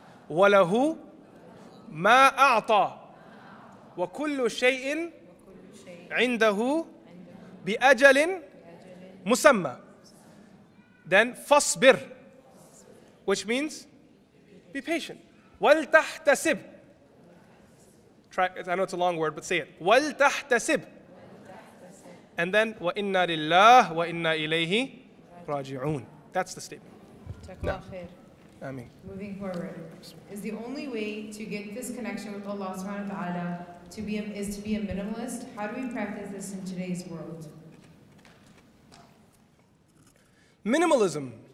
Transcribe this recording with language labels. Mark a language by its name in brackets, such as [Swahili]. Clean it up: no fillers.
[Arabic] وله ما أعطى وكل شيء عنده بأجل مسمى. [English] Then فاصبر, which means be patient. [Arabic] ولتحتسب. [English] Try, I know it's a long word, but say it. [Arabic] ولتحتسب. [English] And then [Arabic] وإنا لله وإنا إليه راجعون. [English] That's the statement. Now. Ameen. Moving forward, is the only way to get this connection with Allah subhanahu wa ta'ala to be a minimalist? How do we practice this in today's world? Minimalism.